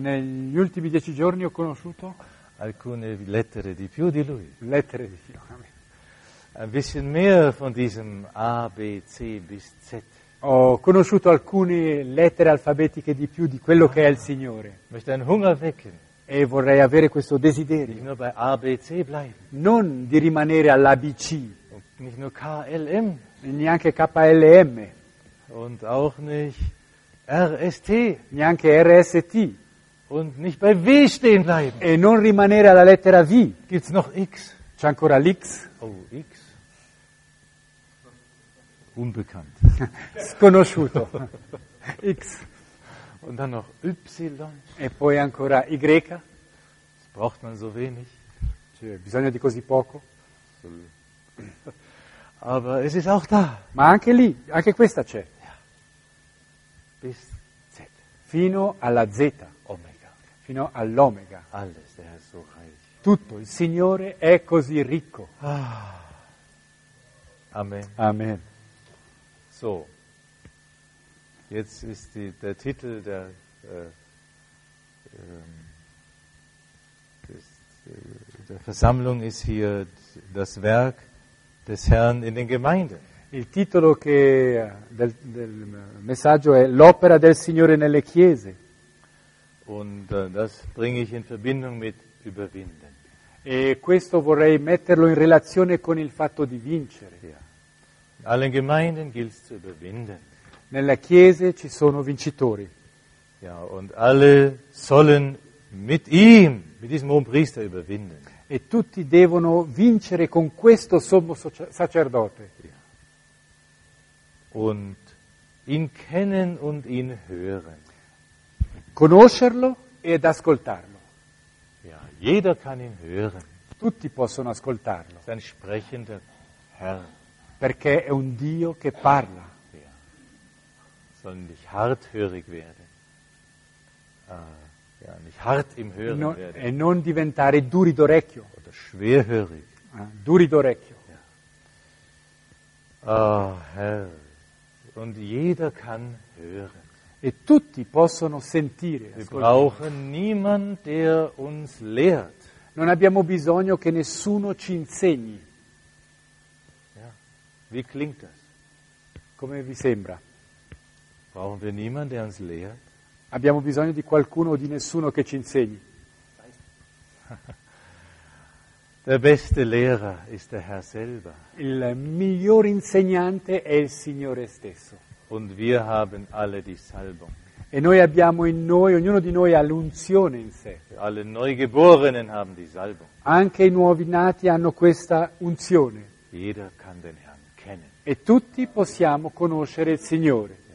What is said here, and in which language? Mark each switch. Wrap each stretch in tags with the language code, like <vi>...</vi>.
<it>Negli ultimi 10 giorni ho conosciuto alcune lettere di più di lui. Lettere di più.</it> <de>Ein bisschen mehr von diesem A, B, C bis Z.</de> <it>Ho conosciuto alcune lettere alfabetiche di più di quello che è il Signore.</it> <de>Möchte einen Hunger wecken.</de> <it>E vorrei avere questo desiderio.</it> <de>Nur bei A, B, C bleiben.</de> <it>Non di rimanere all'ABC.</it> <de>Und nicht nur KLM.</de> <it>Neanche KLM.</it> <de>Und auch nicht RST.</de> <it>Neanche RST.</it> <de>Und nicht bei W stehen bleiben.</de> <it>E non rimanere alla lettera V.</it> <de>Gibt's noch X?</de> <it>C'è ancora l'X?</it> <de>Oh, X. Unbekannt.</de> <it>Sconosciuto. X.</it> <de>Und dann noch Y.</de> <it>E poi ancora Y.</it> <de>Das braucht man so wenig.</de> <it>Cioè, bisogna di così poco.</it> <de>Aber es ist auch da.</de> <it>Ma anche lì, anche questa c'è.</it> <de>Ja. Bis Z.</de> <it>Fino alla Z.</it> <de>Omega.</de> <it>Fino all'Omega.</it> <de>Alles, der Herr ist so reich.</de> <it>Tutto, il Signore è così ricco. Ah. Amen. Amen.</it> <de>So, jetzt ist die, der Titel der, des, der Versammlung ist hier das Werk des Herrn in den Gemeinden.</de> <it>Il titolo che, del messaggio è l'opera del Signore nelle chiese.</it> <de>Und das bringe ich in Verbindung mit überwinden.</de> <it>E questo vorrei metterlo in relazione con il fatto di vincere.</it> <de>Ja. In allen Gemeinden gilt es zu überwinden.</de> <it>Nella chiesa ci sono vincitori.</it> <de>Ja, und alle sollen mit ihm, mit diesem hohen Priester überwinden.</de> <it>E tutti devono vincere con questo sommo sacerdote.</it> <de>Ja. Und ihn kennen und ihn hören.</de> <it>Conoscerlo ed ascoltarlo.</it> <de>Ja, jeder kann ihn hören.</de> <it>Tutti possono ascoltarlo.</it> <de>Sein sprechender Herr.</de> <it>Perché è un Dio che parla.</it> <de>Ja. Sollen nicht harthörig werden. Ah, ja, nicht hart im Hören</de> <it>non,</it> <de>werden.</de> <it>E non diventare duri d'orecchio.</it> <de>Oder schwerhörig.</de> <it>Ah, duri d'orecchio.</it> <de>Ja. Oh, Herr. Und jeder kann hören.</de> <it>E tutti possono sentire.</it> <de>Wir brauchen niemand, der uns lehrt.</de> <it>Non abbiamo bisogno che nessuno ci insegni.</it> <de>Wie klingt das?</de> <it>Come vi sembra?</it> <de>Brauchen wir niemanden, der uns lehrt?</de> <it>Abbiamo bisogno di qualcuno o di nessuno che ci insegni.</it> <de>Der beste Lehrer ist der Herr selber.</de> <it>Il miglior insegnante è il Signore stesso.</it> <de>Und wir haben alle die Salbung.</de> <it>E noi abbiamo in noi, ognuno di noi ha l'unzione in sé.</it> <de>Alle Neugeborenen haben die Salbung.</de> <it>Anche i nuovi nati hanno questa unzione.</it> <de>Jeder kann den Herrn.</de> <it>E tutti possiamo conoscere il Signore.</it>